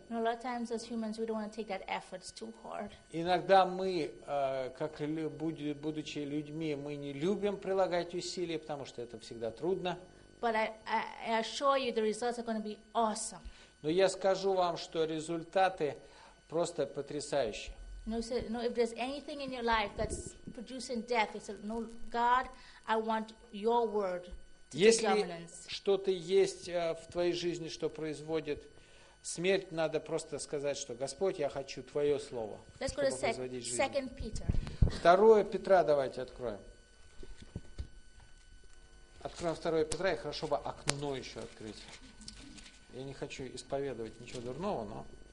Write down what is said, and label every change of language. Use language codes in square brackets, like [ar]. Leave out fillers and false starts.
[en] A lot of times as humans we don't want to take that effort. It's too hard. [ru] Иногда мы, как будучи людьми, мы не любим прилагать усилия, потому что это всегда трудно. [en] But I assure you the results are going to be awesome. [ru] Но я скажу вам, что результаты просто потрясающие. [en] No, if there's anything in your life that's producing death, it's no, God, I want your word. [ru] Если что-то есть в твоей жизни, что производит смерть, надо просто сказать, что Господь, я хочу Твое Слово, чтобы производить жизнь. Второе Петра давайте откроем. Откроем Второе Петра, и хорошо бы окно еще открыть. Я не хочу исповедовать ничего дурного, но...